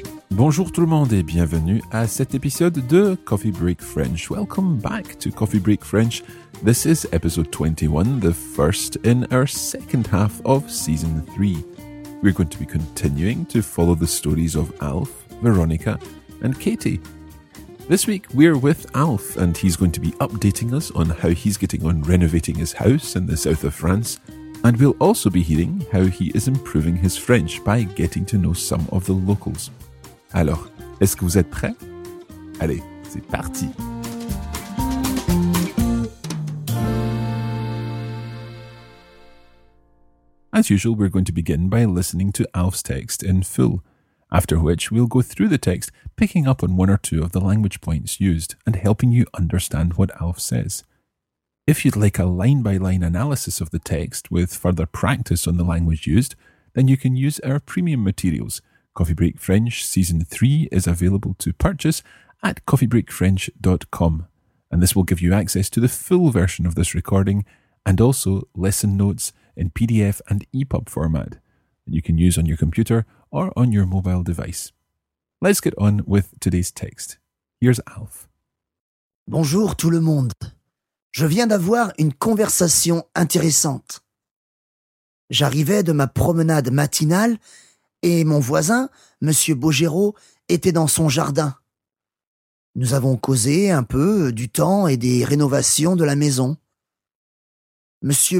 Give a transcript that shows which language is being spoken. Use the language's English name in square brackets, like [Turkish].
[French] Bonjour tout le monde et bienvenue à cet épisode de Coffee Break French. [English] Welcome back to Coffee Break French. This is episode 21, the first in our second half of season 3. We're going to be continuing to follow the stories of Alf, Veronica and Katie. This week we're with Alf and he's going to be updating us on how he's getting on renovating his house in the south of France. And we'll also be hearing how he is improving his French by getting to know some of the locals. [French] Alors, est-ce que vous êtes prêts? Allez, c'est parti! [English] As usual, we're going to begin by listening to Alf's text in full, after which we'll go through the text, picking up on one or two of the language points used and helping you understand what Alf says. If you'd like a line-by-line analysis of the text with further practice on the language used, then you can use our premium materials. Coffee Break French Season 3 is available to purchase at coffeebreakfrench.com, and this will give you access to the full version of this recording and also lesson notes in PDF and EPUB format that you can use on your computer or on your mobile device. Let's get on with today's text. Here's Alf. [French] Bonjour tout le monde. Je viens d'avoir une conversation intéressante. J'arrivais de ma promenade matinale et mon voisin, M. Bogerot, était dans son jardin. Nous avons causé un peu du temps et des rénovations de la maison. M.